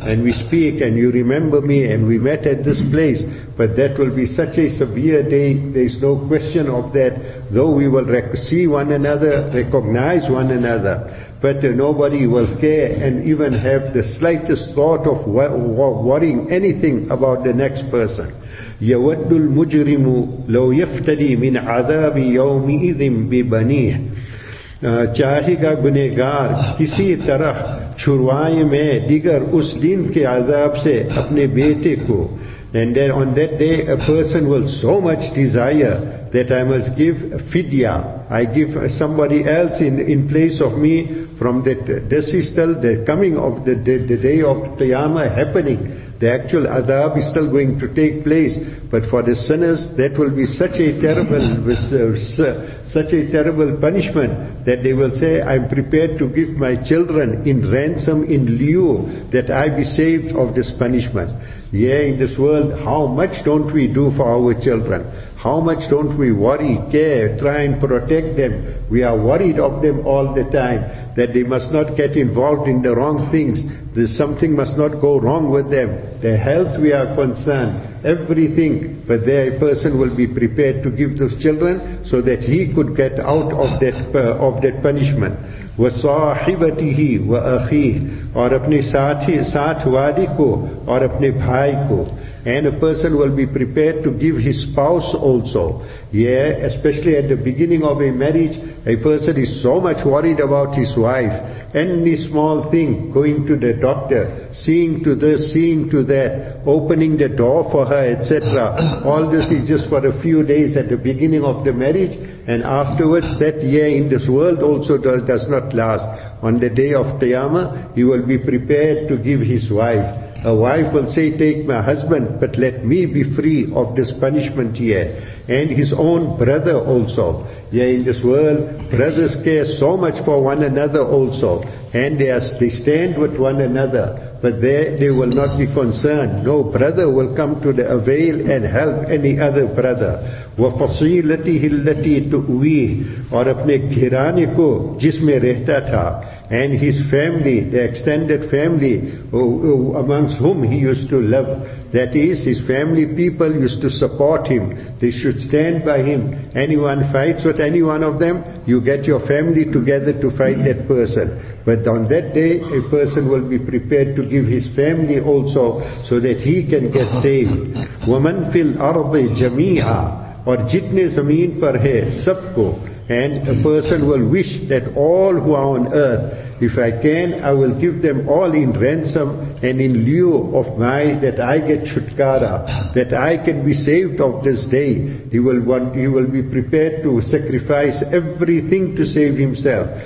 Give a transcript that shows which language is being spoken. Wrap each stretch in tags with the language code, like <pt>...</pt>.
<en>and we speak and you remember me and we met at this place, but that will be such a severe day, there's no question of that, though we will see one another, recognize one another, but nobody will care and even have the slightest thought of worrying anything about the next person.</en> <ar>يَوَدُّ الْمُجْرِمُ لَوْ يَفْتَدِي مِنْ عَذَابِ يَوْمِئِذٍ بِبَنِيهِ</ar> <ur>چاہے گا گنہگار کسی طرح چھروائے میں دیگر اس دن کے عذاب سے اپنے بیٹے کو.</ur> <en>And then on that day a person will so much desire that I must give fidya, I give somebody else in place of me from that desistal, the coming of the day of Qiyamah happening. The actual adab is still going to take place, but for the sinners, that will be such a terrible punishment that they will say, "I'm prepared to give my children in ransom in lieu that I be saved of this punishment." Yeah, in this world, how much don't we do for our children? How much don't we worry, care, try and protect them? We are worried of them all the time, that they must not get involved in the wrong things. There's something must not go wrong with them. Their health we are concerned, everything. But there a person will be prepared to give those children so that he could get out of that punishment.</en> <ar>وَصَاحِبَتِهِ وَأَخِيهِ</ar> <ur>اور اپنے ساتھ والی کو اور اپنے بھائی کو.</ur> <en>And a person will be prepared to give his spouse also. Yeah, especially at the beginning of a marriage, a person is so much worried about his wife. Any small thing, going to the doctor, seeing to this, seeing to that, opening the door for her, etc. All this is just for a few days at the beginning of the marriage. And afterwards, that year in this world also does not last. On the day of Qiyamah, he will be prepared to give his wife. A wife will say, "Take my husband, but let me be free of this punishment here." And his own brother also. Yeah, in this world, brothers care so much for one another also. And they stand with one another. But there they will not be concerned. No brother will come to the avail and help any other brother.</en> <ar>وَفَصِيلَتِهِ الَّتِي تُؤْوِيهِ</ar> <ur>اور اپنے گھرانے کو جس میں رہتا تھا.</ur> <en>And his family, the extended family amongst whom he used to live. That is, his family people used to support him. They should stand by him. Anyone fights with any one of them, you get your family together to fight that person. But on that day, a person will be prepared to give his family also so that he can get saved.</en> <ar>وَمَنْ فِي الْأَرْضِ جَمِيعًا</ar> <ur>اور جتنے زمین پر ہے سب کو.</ur> <en>And a person will wish that all who are on earth, if I can, I will give them all in ransom and in lieu of my, that I get chutkara, that I can be saved of this day. He will be prepared to sacrifice everything to save himself.</en>